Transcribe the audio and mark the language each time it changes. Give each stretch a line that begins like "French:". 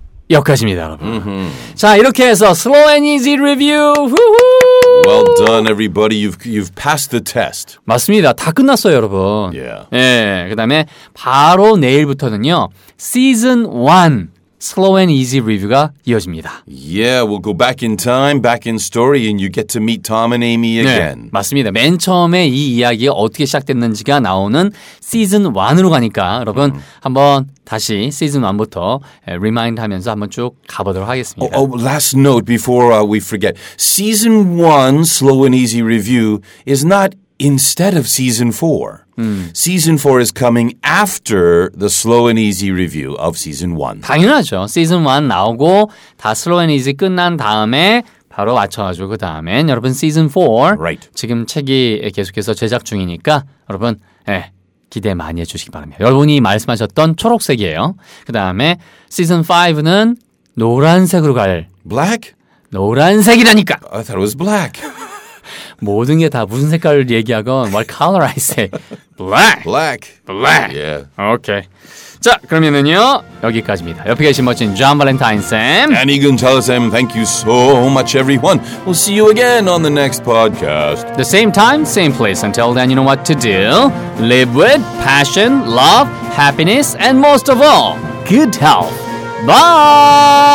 Korean: 여기까지입니다, 여러분. Mm-hmm. 자, 이렇게 해서 Slow and Easy Review. Woo-hoo!
English: Well done, everybody. You've passed the test.
Korean: 맞습니다. 다 끝났어요, 여러분.
English: Yeah.
Korean: 예, 그다음에 바로 내일부터는요. Season 1 Slow and Easy Review가 이어집니다.
English: Yeah, we'll go back in time, back in story, and you get to meet Tom and Amy again.
Korean: 네, 맞습니다. 맨 처음에 이 이야기가 어떻게 시작됐는지가 나오는 시즌 1으로 가니까 여러분 한번 다시 시즌 1부터 리마인드하면서 한번 쭉 가보도록 하겠습니다.
English: Oh, last note before we forget. Season 1 Slow and Easy Review is not instead of season 4. Season 4 is coming after the slow and easy review of season 1.
Korean: 당연하죠. Season 1 나오고 다 slow and easy 끝난 다음에 바로 맞춰가지고 그 다음엔 여러분 season 4
English: right.
Korean: 지금 책이 계속해서 제작 중이니까 여러분 예, 기대 많이 해주시기 바랍니다. 여러분이 말씀하셨던 초록색이에요. 그 다음에 season 5는 노란색으로 갈
English: black?
Korean: 노란색이라니까
English: I thought it was black.
Korean: 모든 게 다 무슨 색깔을 얘기하건
English: what color I say? Black! Black! Black! Yeah.
Korean: Okay. 자, 그러면은요. 여기까지입니다. 옆에 계신 멋진 존 발렌타인 쌤.
English: And 이근철 쌤. Thank you so much, everyone. We'll see you again on the next podcast. The same time, same place. Until then, you know what to do. Live with passion, love, happiness, and most of all, good health. Bye!